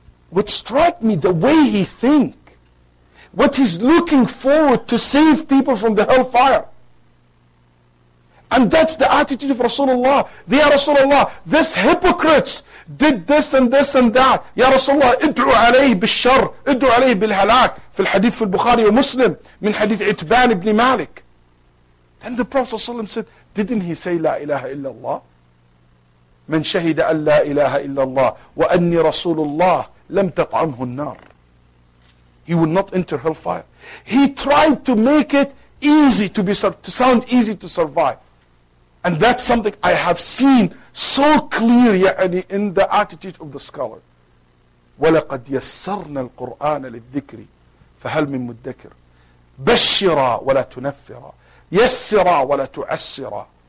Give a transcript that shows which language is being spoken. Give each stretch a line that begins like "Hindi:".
English: What struck me, the way he think, what he's looking forward to save people from the hellfire. And that's the attitude of Rasulullah. They are Rasulullah. This hypocrites did this and this and that.
Arabic: Ya Rasulullah, ادعو عليه بالشر. ادعو عليه بالهلاك. في الحديث في البخاري ومسلم من حديث عتبان بن مالك.
English: Then the Prophet said, didn't he say,
Arabic: لا إله إلا الله? من شهد أن لا إله إلا الله وأني رسول الله لم تطعمه النار.
English: He will not enter hellfire. He tried to make it easy to survive. And that's something I have seen so clear in the attitude of the scholar.
Arabic: وَلَقَدْ يَسَّرْنَا الْقُرْآنَ لِلذِّكْرِ فَهَلْ مِن مُدَّكِرْ بَشِّرَا وَلَا تُنَفِّرَا يَسِّرَا وَلَا تُعَسِّرَا.